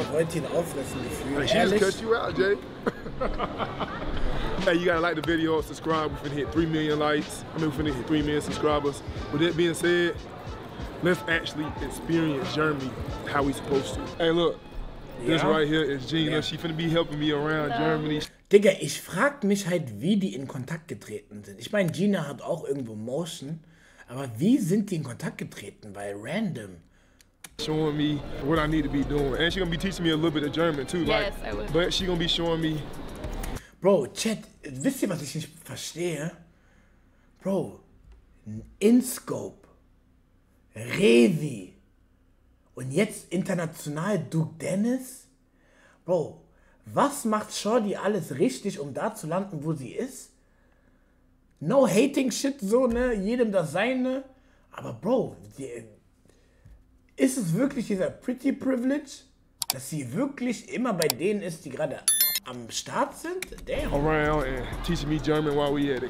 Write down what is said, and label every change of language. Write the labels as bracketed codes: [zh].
[de] Ich wollte ihn auffressen, gefühlt, ehrlich. [en] She just cussed you out, Jay. Hey, you gotta like the video, subscribe, we're finna hit 3 million likes. I mean, we're finna hit 3 million subscribers. With that being said, let's actually experience Germany how we supposed to. Hey, look, this right here is Gina. Yeah. She finna be helping me around Germany. [de] Digga, ich frag mich halt, wie die in Kontakt getreten sind. Ich meine, Gina hat auch irgendwo Motion. Aber wie sind die in Kontakt getreten? Weil random. [en] Showing me what I need to be doing. And she's gonna be teaching me a little bit of German too. Yes, like, I will. But she's gonna be showing me. [de] Bro, Chat, wisst ihr, was ich nicht verstehe? Bro, InScope, Revi und jetzt international Duke Dennis? Bro, was macht Shorty alles richtig, um da zu landen, wo sie ist? [en] No hating shit so, [de] ne? Jedem das seine. Aber Bro, ist es wirklich dieser Pretty Privilege, dass sie wirklich immer bei denen ist, die gerade... am Start sind? Damn. [en] Around and teaching me German while we at it.